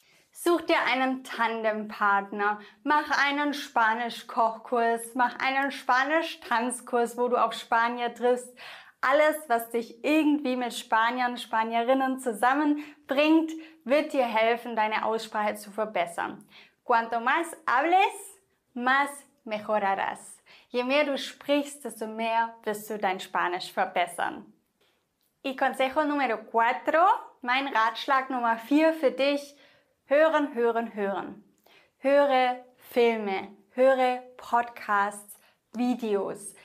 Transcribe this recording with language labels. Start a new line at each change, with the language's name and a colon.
German: Such dir einen Tandempartner, mach einen Spanisch-Kochkurs, mach einen Spanisch-Tanzkurs, wo du auf Spanier triffst. Alles, was dich irgendwie mit Spaniern, Spanierinnen zusammenbringt, wird dir helfen, deine Aussprache zu verbessern.
Spanish: Cuanto más hables, más mejorarás.
German: Je mehr du sprichst, desto mehr wirst du dein Spanisch verbessern.
Spanish: Y consejo número 4,
German: mein Ratschlag Nummer 4 für dich, hören, hören, hören. Höre Filme, höre Podcasts, Videos.